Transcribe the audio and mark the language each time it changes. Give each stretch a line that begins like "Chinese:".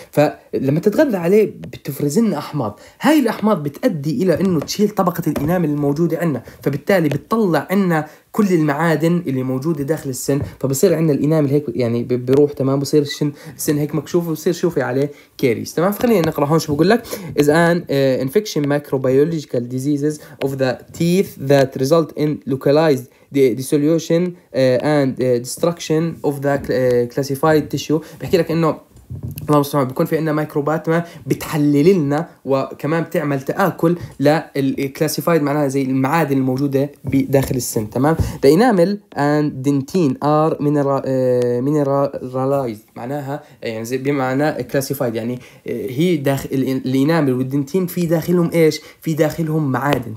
Arabic: فلما تتغذى عليه بتفرز لنا أحماض. هاي الأحماض بتؤدي إلى إنه تشيل طبقة الإنامل الموجودة عنا، فبالتالي بتطلع عنا كل المعادن اللي موجودة داخل السن، فبصير عندنا الإنامل هيك يعني بروح. تمام. بصير السن هيك مكشوف وبصير شوفي عليه كاريز. تمام. فخلينا نقرأ هون شو بقول لك.
English: Is an infection microbiological diseases of the teeth that result in localized dissolution and destruction of the classified tissue.
Arabic: بحكي لك إنه الله سبحانه بيكون في عندنا ميكروبات ما بتحلل لنا وكمان بتعمل تآكل للكلاسيفايد، معناها زي المعادن الموجودة بداخل السن. تمام.
English: The enamel and dentin are mineralized،
Arabic: معناها يعني زي بمعنى كلاسيفايد، يعني هي داخل الإنامل والدنتين في داخلهم إيش؟ في داخلهم معادن.